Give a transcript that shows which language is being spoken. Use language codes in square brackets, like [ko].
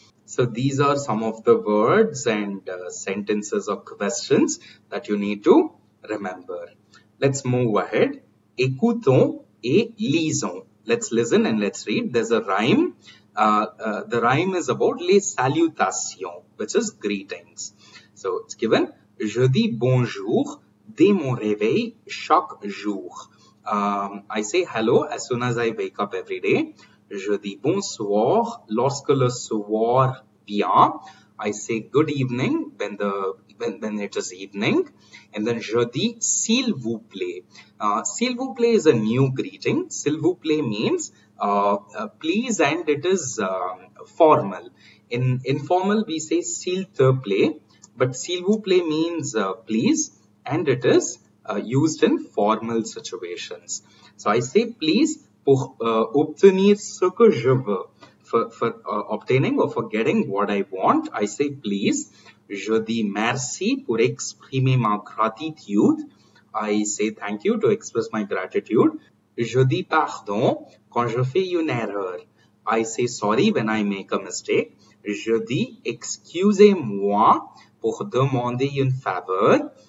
[en] So these are some of the words and sentences or questions that you need to remember. Let's move ahead. [fr] Écoutons et lisons. [en] Let's listen and let's read. There's a rhyme. The rhyme is about les salutations, which is greetings. So it's given. [fr] Je dis bonjour dès mon réveil chaque jour. [en] I say hello as soon as I wake up every day. [fr] Je dis bonsoir lorsque le soir vient. [en] I say good evening when it is evening. And then [fr] je dis s'il vous plaît. [en] S'il vous plaît is a new greeting. S'il vous plaît means please, and it is formal. In informal we say s'il te plaît, but s'il vous plaît means please, and it is used in formal situations. So I say please [fr] pour obtenir ce que je veux. [en] For obtaining or for getting what I want, I say please. [fr] Je dis merci pour exprimer ma gratitude. [en] I say thank you to express my gratitude. [fr] Je dis pardon quand je fais une erreur. [en] I say sorry when I make a mistake. [fr] Je dis excusez-moi pour demander une faveur.